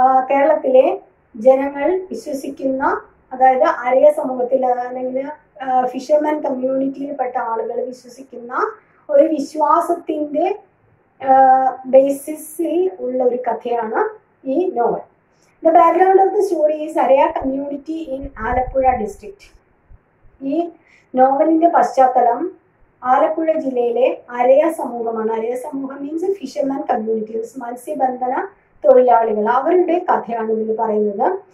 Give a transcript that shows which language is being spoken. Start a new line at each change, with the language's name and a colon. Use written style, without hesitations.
Malayalam: കേരളത്തിലെ ജനങ്ങൾ വിശ്വസിക്കുന്ന, അതായത് ആര്യ സമൂഹത്തിൽ അല്ലെങ്കിൽ ഫിഷർമൻ കമ്മ്യൂണിറ്റിയിൽപ്പെട്ട ആളുകൾ വിശ്വസിക്കുന്ന ഒരു വിശ്വാസത്തിൻ്റെ ബേസിസിൽ ഉള്ള ഒരു കഥയാണ് ഈ novel.
English: The background of the story is Araya community in Alappuzha district.
Malayalam: ഈ നോവലിൻ്റെ പശ്ചാത്തലം ആലപ്പുഴ ജില്ലയിലെ അരയ സമൂഹമാണ്. അരയ സമൂഹം
English: means fisherman communities,
Malayalam: മത്സ്യബന്ധന തൊഴിലാളികൾ, അവരുടെ കഥയാണ് ഇതിൽ പറയുന്നത്.